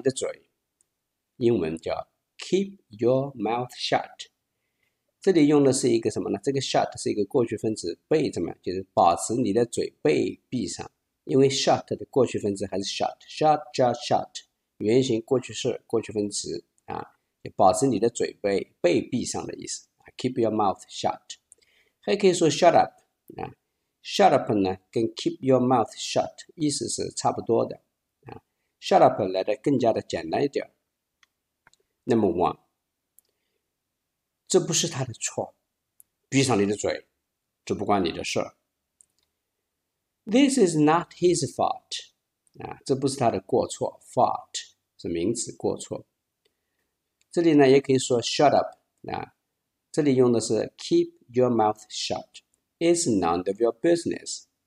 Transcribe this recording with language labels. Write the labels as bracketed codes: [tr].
[zh] 284，闭上你的嘴，英文叫 [en] Keep your mouth shut. [zh] 这里用的是一个什么呢？这个 shut 是一个过去分词，被怎么就是保持你的嘴被闭上。因为 shut 的过去分词还是 shut， 原形过去式过去分词，保持你的嘴被闭上的意思。 [en] Keep your mouth shut， [zh] 还可以说 [en] shut up [zh] 啊。 [en] Shut up [zh] 呢跟 [en] keep your mouth shut [zh] 意思是差不多的。Shut up 来的更加的简单一点。 [en] Number one。 [zh] 这不是他的错，闭上你的嘴，这不关你的事。 [en] This is not his fault. [zh] 这不是他的过错。Fault 是名词，过错。这里呢也可以说 [en] shut up. [zh] 这里用的是 [en] keep your mouth shut. It's none of your business.